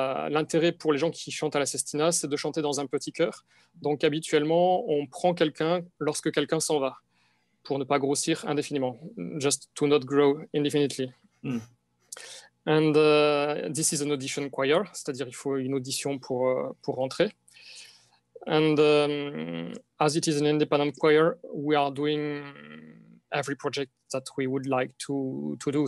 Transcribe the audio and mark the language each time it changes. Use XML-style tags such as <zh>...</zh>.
<fr>L'intérêt pour les gens qui chantent à la Sestina, c'est de chanter dans un petit chœur. Donc habituellement, on prend quelqu'un lorsque quelqu'un s'en va, pour ne pas grossir indéfiniment.</fr> <en>Just to not grow indefinitely. Mm. And this is an audition choir,</en> <fr>c'est-à-dire il faut une audition pour rentrer.</fr> <en>And as it is an independent choir, we are doing every project that we would like to do.</en>